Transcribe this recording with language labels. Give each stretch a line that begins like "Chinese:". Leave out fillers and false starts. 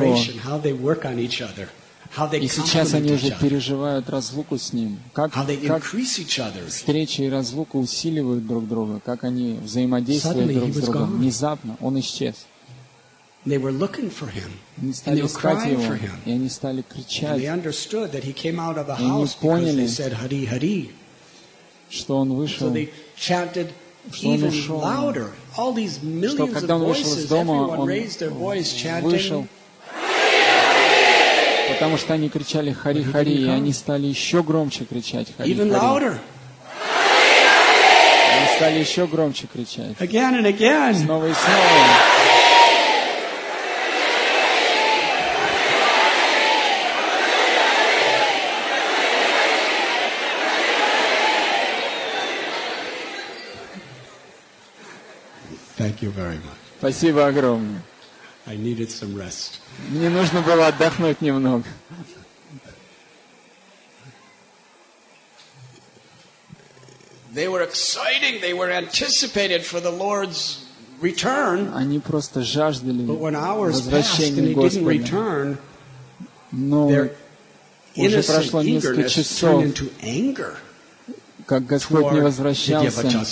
English: How they work on each other. How they
Russian: и сейчас они уже переживают разлуку с ним. Как встречи и разлука усиливают друг друга. Как они взаимодействуют друг с другом. Внезапно он исчез.
English: They were looking for him.
Russian: Они стали искать его, и они стали кричать.
English: And they understood that he came out of the house because they said, "Hari, Hari."
Russian: что он вышел, что он ушел, что когда он вышел из дома, он вышел, потому что они кричали «Хари, Хари», и они стали еще громче кричать «Хари, Хари». Они стали еще громче кричать. Снова и снова.
English: Thank you very much.
Russian: Спасибо огромное.
English: I needed some rest.
Russian: Мне нужно было отдохнуть немного.
English: They were exciting, they were anticipated for the Lord's return.
Russian: Они просто жаждали возвращения Господа. Но уже прошло несколько часов, как Господь не возвращался.